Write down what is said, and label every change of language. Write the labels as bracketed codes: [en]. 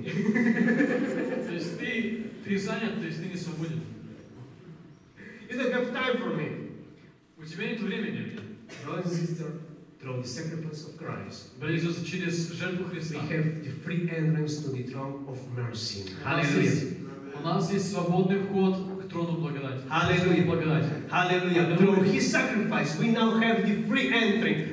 [ru] То есть ты занят, то есть ты не свободен. [en] You don't have time for me. [ru] У тебя нет времени. [en] Brother and sister, through the sacrifice of Christ. But Jesus, [ru] через жертву Христа. [en] We have the free entrance to the throne of mercy. Hallelujah. [ru] У нас есть свободный вход к трону благодати. [en] Hallelujah. [ru] Благодати. [en] Hallelujah. Through His sacrifice, we now have the free entry.